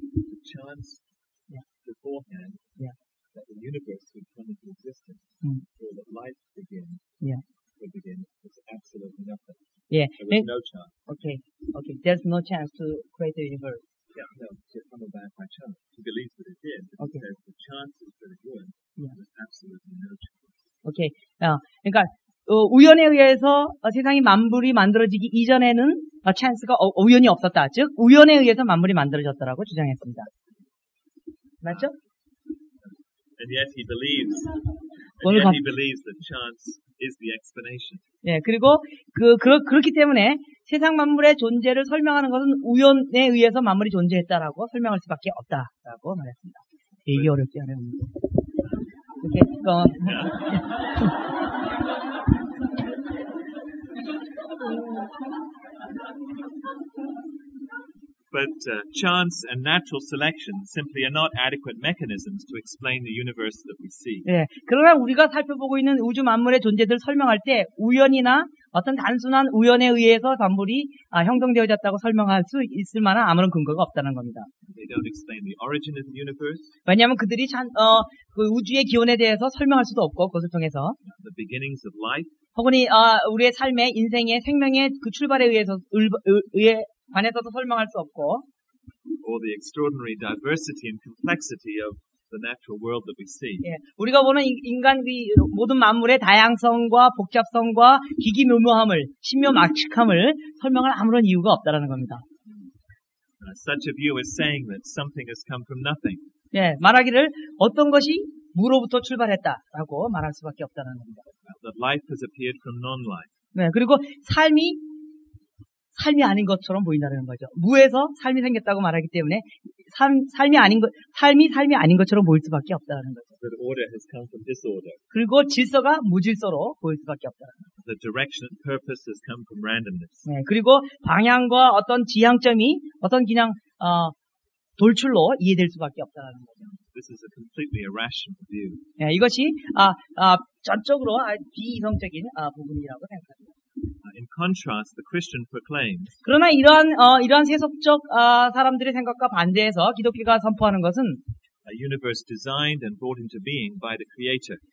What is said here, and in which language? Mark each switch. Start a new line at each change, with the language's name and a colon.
English: The chance beforehand that the universe would come into existence or that life begin would begin was absolutely nothing. Yeah. There was no chance. Okay. Okay. There's no chance to create the universe. Yeah. No. To come about by chance. He believes that it did. Okay. Says the chances that it would was absolutely no chance. 오케이. Okay.
Korean: 그러니까 우연에 의해서 세상이 만물이 만들어지기 이전에는 찬스가 우연이 없었다. 즉 우연에 의해서 만물이 만들어졌다라고 주장했습니다. 맞죠?
English: And yet he believes. And yet he believes that chance is the explanation.
Korean: 예, 그리고 그렇기 때문에 세상 만물의 존재를 설명하는 것은 우연에 의해서 만물이 존재했다라고 설명할 수밖에 없다라고 말했습니다. 되게 어렵지 않아요?
English: 그러니까 But chance and natural selection simply are not adequate mechanisms to explain the universe that we see.
Korean: 예, 그러나 우리가 살펴보고 있는 우주 만물의 존재들 설명할 때 우연이나 어떤 단순한 우연에 의해서 단물이 형성되어졌다고 설명할 수 있을 만한 아무런 근거가 없다는 겁니다.
English: They don't explain the origin of the universe.
Korean: 왜냐하면 그들이 그 우주의 기원에 대해서 설명할 수도 없고 그것을 통해서
English: the beginnings of life.
Korean: 혹은 우리의 삶의 인생의 생명의 그 출발에 의해서 의에 관해서도 설명할 수 없고
English: or the extraordinary diversity and complexity of the natural world that we see.
Korean: 예, 우리가 보는 인간의 모든 만물의 다양성과 복잡성과 기기묘묘함을, 신묘막측함을 설명할 아무런 이유가 없다라는 겁니다.
English: Such a view is saying that something has come from nothing.
Korean: 예, 말하기를 어떤 것이 무로부터 출발했다라고 말할 수밖에 없다는 겁니다.
English: That life has appeared from non-life.
Korean: 네, 그리고 삶이 아닌 것처럼 보인다는 거죠. 무에서 삶이 생겼다고 말하기 때문에 삶이 아닌 것처럼 보일 수밖에 없다는 거죠.
English: That order has come from disorder.
Korean: 그리고 질서가 무질서로 보일 수밖에 없다는 거죠.
English: The direction and purpose has come from randomness.
Korean: 네, 그리고 방향과 어떤 지향점이 어떤 그냥 돌출로 이해될 수밖에 없다는 거죠.
English: This is a completely irrational view.
Korean: 네, 이것이 전적으로 비이성적인 부분이라고 생각합니다.
English: In contrast, the Christian proclaims.
Korean: 그러나 이러한 세속적 사람들의 생각과 반대해서 기독교가 선포하는 것은
English: a universe designed and brought into being by the Creator.